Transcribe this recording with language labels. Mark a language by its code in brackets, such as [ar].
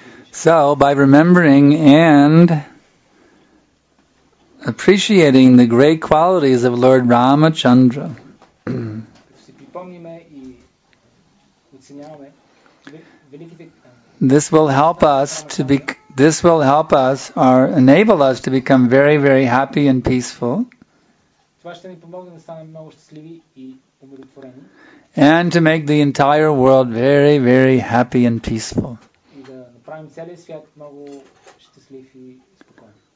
[en] So, by remembering and appreciating the great qualities of Lord Ramachandra, [bg] помниме и оценяваме великите. [en] This will help us to be. This will help us or enable us to become very, very happy and peaceful. [bg] Това ще ни помогне да станем много щастливи и умиротворени. [en] And to make the entire world very, very happy and peaceful. [bg] И да направим целия свят много щастлив и спокоен.